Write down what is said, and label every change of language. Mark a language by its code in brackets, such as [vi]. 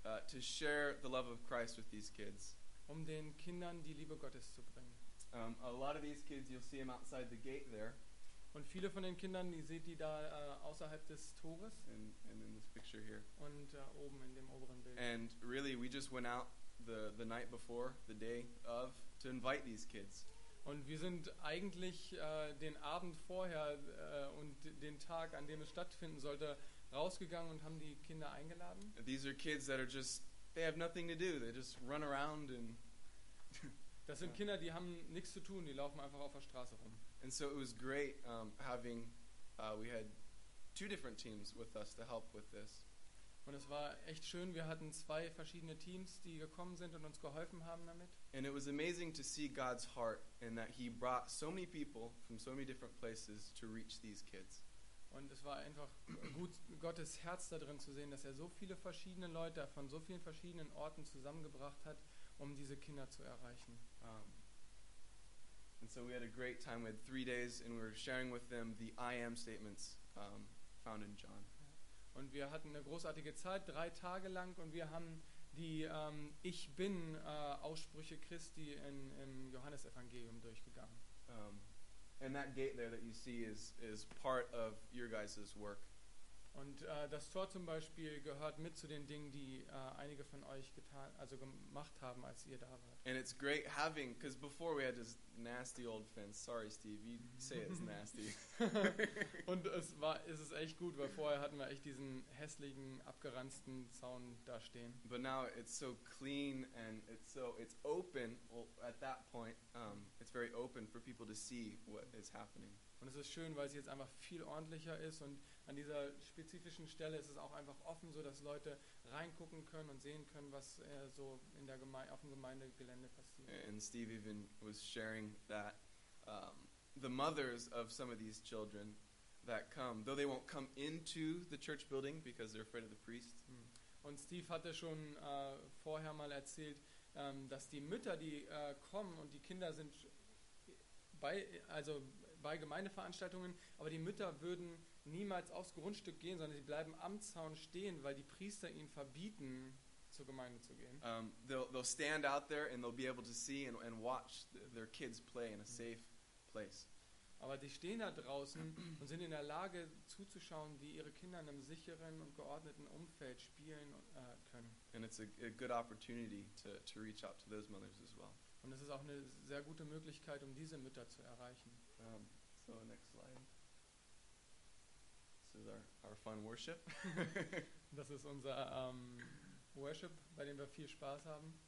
[en] To share the love of Christ with these kids. [de] Um den Kindern die Liebe Gottes zu bringen. [en] A lot of these kids, you'll see them outside the gate there. [de] Und viele von den Kindern, die seht ihr da außerhalb des Tores. [en] And in this picture here. [de] Und oben in dem oberen Bild. [en] And really, we just went out the night before, the day of, to invite these kids. [de] Und wir sind eigentlich den Abend vorher und den Tag, an dem es stattfinden sollte, rausgegangen und haben die Kinder eingeladen. [en] These are kids that are just, they have nothing to do. They just run around and... [de] Das sind Kinder, die haben nichts zu tun. Die laufen einfach auf der Straße rum. [en] And so it was great having, we had two different teams with us to help with this. [de] Und es war echt schön. Wir hatten zwei verschiedene Teams, die gekommen sind und uns geholfen haben damit. [en] And it was amazing to see God's heart and that he brought so many people from so many different places to reach these kids. [de] Und es war einfach gut, Gottes Herz da drin zu sehen, dass er so viele verschiedene Leute von so vielen verschiedenen Orten zusammengebracht hat, um diese Kinder zu erreichen. [en] And so we had a great time. We had 3 days and we were sharing with them the I am statements found in John. [de] Und wir hatten eine großartige Zeit, 3 Tage lang, und wir haben die Ich bin Aussprüche Christi im Johannesevangelium durchgegangen. [en] And that gate there that you see is part of your guys' work. [de] Und das Tor zum Beispiel gehört mit zu den Dingen, die einige von euch getan, also gemacht haben, als ihr da wart. [en] And it's great having, because before we had this nasty old fence. Sorry, Steve, you say it's nasty. [de] Und es ist echt gut, weil vorher hatten wir echt diesen hässlichen, abgeranzten Zaun da stehen. [en] But now it's so clean and it's open. Well, at that point, it's very open for people to see what is happening. [de] Und es ist schön, weil es jetzt einfach viel ordentlicher ist. Und an dieser spezifischen Stelle ist es auch einfach offen, so dass Leute reingucken können und sehen können, was so in der auf dem Gemeindegelände passiert. [en] And Steve even was sharing that the mothers of some of these children that come, though they won't come into the church building because they're afraid of the priest. [de] Und Steve hatte schon vorher mal erzählt, dass die Mütter, die kommen und die Kinder sind bei Gemeindeveranstaltungen, aber die Mütter würden niemals aufs Grundstück gehen, sondern sie bleiben am Zaun stehen, weil die Priester ihnen verbieten, zur Gemeinde zu gehen. [en] They'll stand out there and they'll be able to see and watch their kids play in a safe place. [de] Aber die stehen da draußen und sind in der Lage zuzuschauen, wie ihre Kinder in einem sicheren und geordneten Umfeld spielen können. [en] And it's a good opportunity to reach out to those mothers as well. [de] Und es ist auch eine sehr gute Möglichkeit, um diese Mütter zu erreichen. [en] So, next slide. This is our fun worship. [de] Das ist unser Worship, bei dem wir viel Spaß haben.